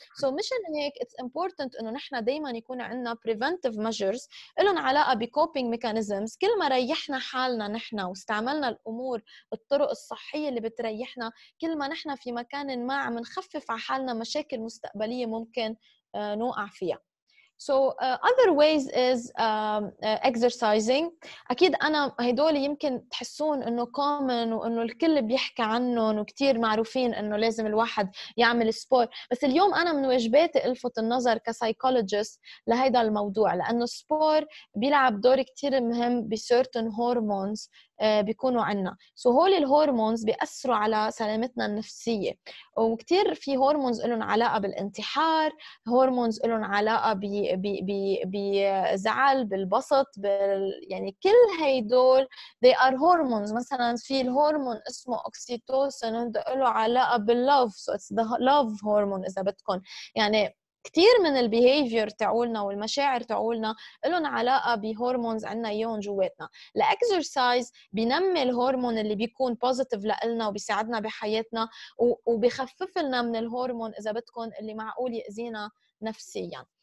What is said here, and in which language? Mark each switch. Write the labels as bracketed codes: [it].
[ar] So مشان هيك [en] it's important [ar] أنه نحنا دايما يكون عندنا preventive measures إلهم علاقة بcoping mechanisms. كل ما ريحنا حالنا نحنا عملنا الأمور الطرق الصحية اللي بتريحنا كل ما نحنا في مكان ما عم نخفف على حالنا مشاكل مستقبلية ممكن نوقع فيها. [en] So other ways is exercising. [ar] أكيد أنا هدول يمكن تحسون إنه common وإنه الكل بيحكي عنهم وكتير معروفين إنه لازم الواحد يعمل سبور. بس اليوم أنا من واجباتي ألفت النظر كسايكولوجيست لهيدا الموضوع لأنه سبور بيلعب دور كتير مهم بcertain hormones بيكونوا عنا. So هول الهورمونز بيأثروا على سلامتنا النفسية وكتير في هورمونز إلهم علاقة بالانتحار. هورمونز إلهم علاقة بزعل بالبسط يعني كل هيدول [en] they are hormones. [ar] مثلا في الهورمون اسمه أوكسيتوسن هنده إله علاقة باللوف. [en] So it's the love hormone [ar] إذا بدكن. يعني كتير من البيهيفير تعولنا والمشاعر تعولنا إلهم علاقة بهورمونز عنا يون جواتنا. الأكسرسايز بينمي الهورمون اللي بيكون بوزيتيف لقلنا وبيساعدنا بحياتنا وبيخفف لنا من الهورمون إذا بدكن اللي معقول يأذينا نفسيا.